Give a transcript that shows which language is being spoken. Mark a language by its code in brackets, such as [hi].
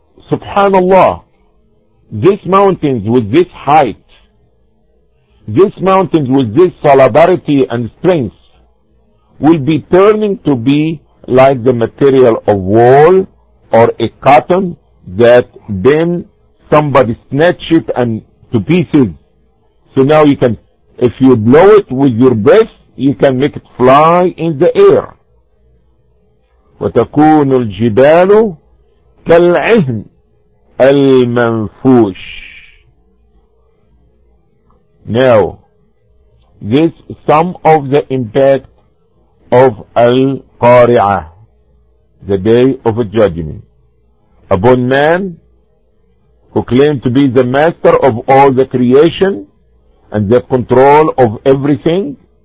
[en] Subhanallah, these mountains with this height, these mountains with this solidarity and strength will be turning to be like the material of wool or a cotton that then somebody snatch it and to pieces. So now you can, if you blow it with your breath, you can make it fly in the air. [ar] وتكون الجبال كالعهن المنفوش. [en] Now, this some of the impact of Al-Qari'ah, the day of judgment, upon man who claimed to be the master of all the creation and the control of everything.